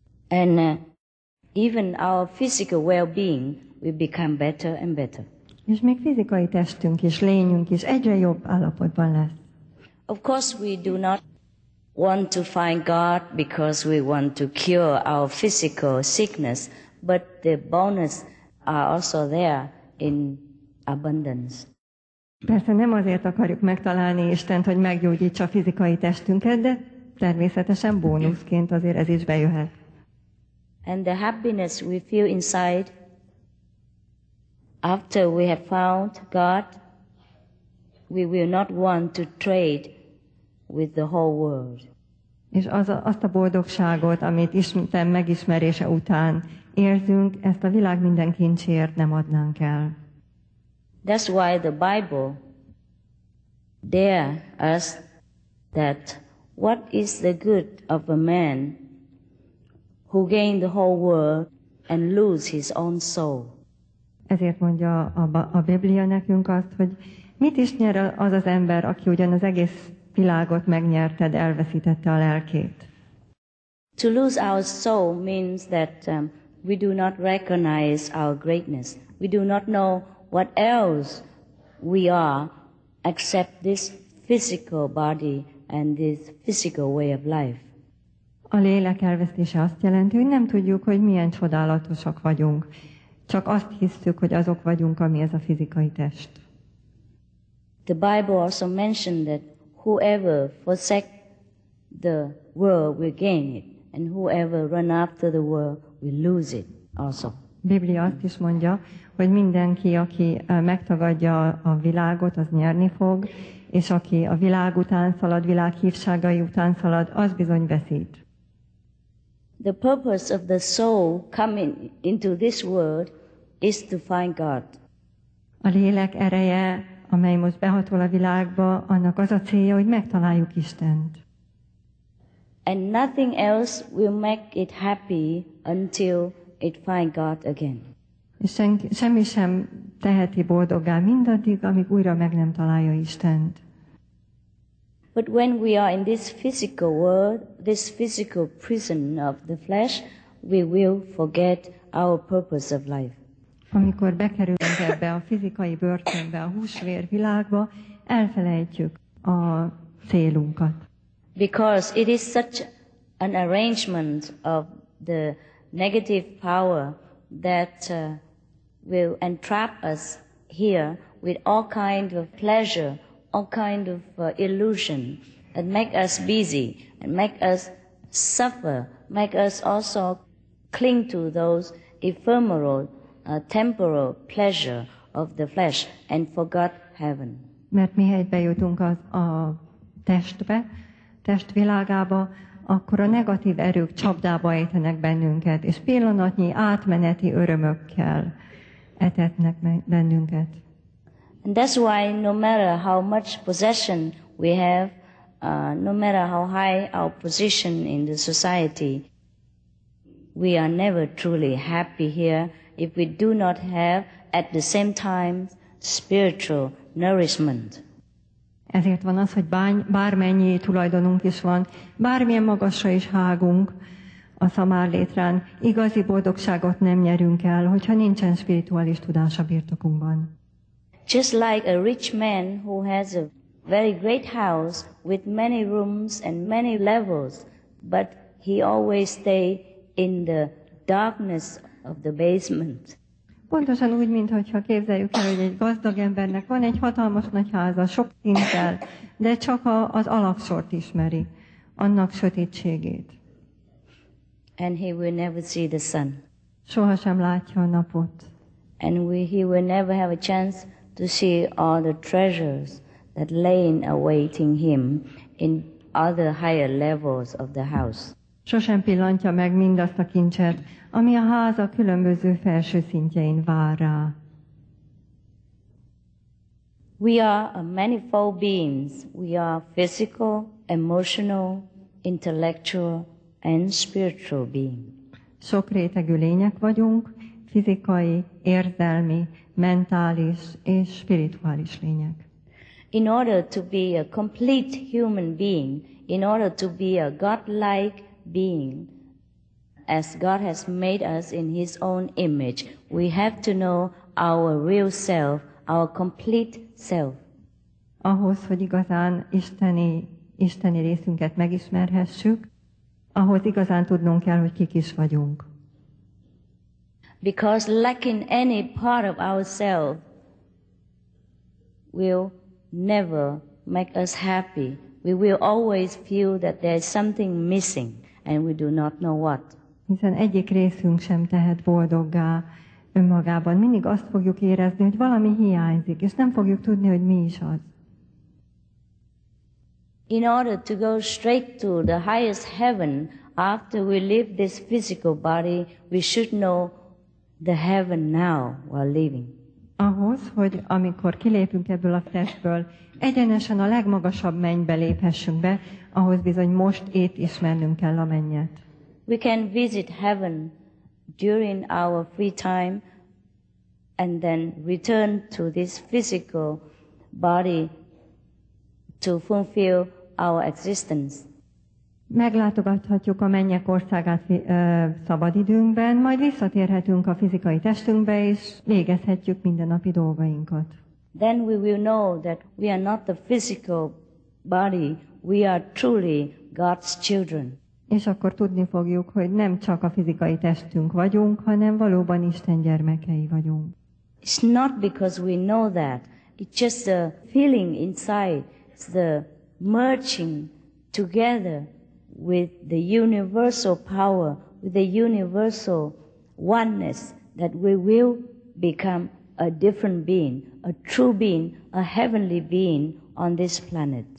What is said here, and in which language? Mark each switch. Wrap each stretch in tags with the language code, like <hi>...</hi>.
<en>And even our physical well-being will become better and better.</en> <hu>És még fizikai testünk is, lényünk is egyre jobb állapotban lesz.</hu> <en>Of course we do not want to find God because we want to cure our physical sickness, but the bonus are also there in abundance.</en> <hu>Persze nem azért akarjuk megtalálni Istent, hogy meggyógyítsa a fizikai testünket, de természetesen bónuszként azért ez is bejöhet.</hu> <en>And the happiness we feel inside after we have found God, we will not want to trade with the whole world.</en> <hu>És azt a boldogságot, amit Isten megismerése után érzünk, ezt a világ minden kincsért nem adnánk el.</hu> <en>That's why the Bible dare us that what is the good of a man who gained the whole world and lose his own soul?</en> <hu>Ezért mondja a Biblia nekünk azt, hogy mit is nyer az az ember, aki ugyan az egész világot megnyerte, de elveszítette a lelkét.</hu> <en>To lose our soul means that we do not recognize our greatness. We do not know what else we are except this physical body and this physical way of life.</en> <hu>A lélek elvesztése azt jelenti, hogy nem tudjuk, hogy milyen csodálatosak vagyunk. Csak azt hisszük, hogy azok vagyunk, ami ez a fizikai test.</hu> <en>The Bible also mentioned that whoever forsake the world will gain it, and whoever run after the world will lose it also.</en> <hu>Biblia azt is mondja, hogy mindenki, aki megtagadja a világot, az nyerni fog, és aki a világ után szalad, világ hívságai után szalad, az bizony veszít.</hu> <en>The purpose of the soul coming into this world is to find God.</en> <hu>A lélek ereje, amely most behatol a világba, annak az a célja, hogy megtaláljuk Istent.</hu> <en>And nothing else will make it happy until it find God again.</en> <hu>És semmi sem teheti boldoggá mindaddig, amíg újra meg nem találja Istent.</hu> <en>But when we are in this physical world, this physical prison of the flesh, we will forget our purpose of life.</en> <hu>Amikor bekerülünk ebbe a fizikai börtönbe, a húsvér világba, elfelejtjük a célunkat.</hu> <en>Because it is such an arrangement of the negative power that will entrap us here with all kind of pleasure, all kind of illusion, and make us busy, and make us suffer, make us also cling to those ephemeral, temporal pleasure of the flesh, and forgot heaven.</en> <hu>Mert mi helyben jutunk az a testbe, testvilágába, akkor a negatív erők csapdába ejtenek bennünket, és pillanatnyi átmeneti örömökkel etetnek bennünket.</hu> <en>And that's why no matter how much possession we have, no matter how high our position in the society, we are never truly happy here if we do not have at the same time spiritual nourishment.</en> <hu>Ezért van az, hogy bármennyi tulajdonunk is van, bármilyen magasra is hágunk a szamárlétrán, igazi boldogságot nem nyerünk el, hogyha nincsen spirituális tudás a birtokunkban.</hu> <en>Just like a rich man who has a very great house with many rooms and many levels, but he always stay in the darkness of the basement.</en> <hu>Pontosan úgy, mintha képzeljük el, hogy egy gazdag embernek van egy hatalmas nagy háza, sok szinttel, de csak az alapsort ismeri, annak sötétségét.</hu> <en>And he will never see the sun.</en> <hu>Sohasem látja a napot.</hu> <en>And he will never have a chance to see all the treasures that lay in awaiting him in other higher levels of the house.</en> <hu>Sosem pillantja meg mindazt a kincset, ami a háza különböző felső szintjein vár rá.</hu> <en>We are a manifold beings. We are physical, emotional, intellectual, and spiritual being.</en> <hu>Sok rétegű lények vagyunk, fizikai, érzelmi, mentális és spirituális lények.</hu> <en>In order to be a complete human being, in order to be a godlike being, as God has made us in His own image, we have to know our real self, our complete self.</en> <hu>Ahhoz, hogy igazán isteni részünket megismerhessük, ahhoz igazán tudnunk kell, hogy kik is vagyunk.</hu> <en>Because lacking any part of ourselves will never make us happy. We will always feel that there is something missing. And we do not know what.</en> <hu>Hiszen egyik részünk sem tehet boldoggá önmagában. Mindig azt fogjuk érezni, hogy valami hiányzik, és nem fogjuk tudni, hogy mi is az.</hu> <en>In order to go straight to the highest heaven, after we leave this physical body, we should know the heaven now while living.</en> <hu>Ahhoz, hogy amikor kilépünk ebből a testből, egyenesen a legmagasabb mennybe léphessünk be, ahhoz bizony most itt ismernünk kell a mennyet.</hu> <en>We can visit heaven during our free time and then return to this physical body to fulfill our existence.</en> <hu>Meglátogathatjuk a mennyek országát szabadidőnkben, majd visszatérhetünk a fizikai testünkbe, és végezhetjük mindennapi dolgainkat.</hu> <en>Then we will know that we are not the physical body, we are truly God's children.</en> <hu>És akkor tudni fogjuk, hogy nem csak a fizikai testünk vagyunk, hanem valóban Isten gyermekei vagyunk.</hu> <en>It's not because we know that, it's just the feeling inside, it's the merging together with the universal power, with the universal oneness that we will become a different being, a true being, a heavenly being on this planet.</en>